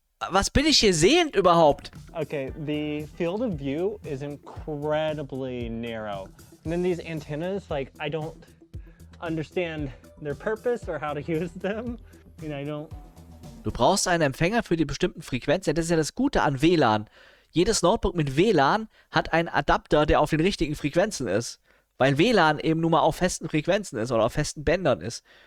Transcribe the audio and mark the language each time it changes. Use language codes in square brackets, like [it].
[de] Was bin ich hier sehend überhaupt? [en] Okay, the field of view is incredibly narrow. And then these antennas, like, I don't understand their purpose or how to use them. You know, I don't... [de] Du brauchst einen Empfänger für die bestimmten Frequenzen. Das ist ja das Gute an WLAN. Jedes Notebook mit WLAN hat einen Adapter, der auf den richtigen Frequenzen ist. Weil WLAN eben nur mal auf festen Frequenzen ist oder auf festen Bändern ist.